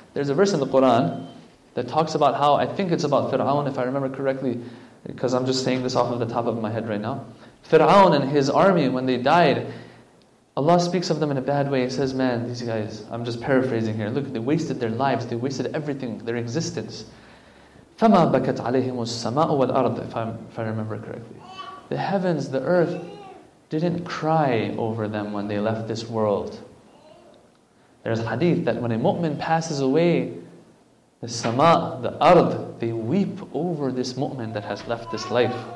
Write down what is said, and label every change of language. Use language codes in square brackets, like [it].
[en] There's a verse in the Qur'an that talks about how, I think it's about Fir'aun, if I remember correctly, because I'm just saying this off of the top of my head right now. Fir'aun and his army, when they died, Allah speaks of them in a bad way. He says, man, these guys, I'm just paraphrasing here. Look, they wasted their lives, they wasted everything, their existence. [ar] فَمَا بَكَتْ عَلَيْهِمُ السَّمَاءُ وَالْأَرْضِ [en] if I remember correctly. The heavens, the earth, didn't cry over them when they left this world. There's a hadith that when a mu'min passes away, the sama', the ardh, they weep over this mu'min that has left this life.